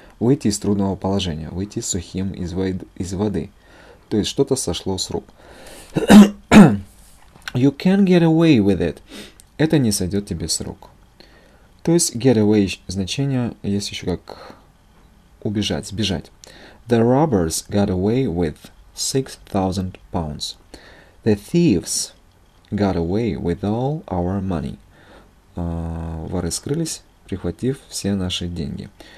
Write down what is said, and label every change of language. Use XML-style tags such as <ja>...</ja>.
<ru>Выйти из трудного положения. Выйти сухим из воды. То есть, что-то сошло с рук.</ru> <en>You can get away with it.</en> <ru>Это не сойдет тебе с рук. То есть get away значение есть еще как убежать, сбежать.</ru> <en>The robbers got away with 6,000 pounds. The thieves got away with all our money.</en> <ru>Воры скрылись, прихватив все наши деньги.</ru>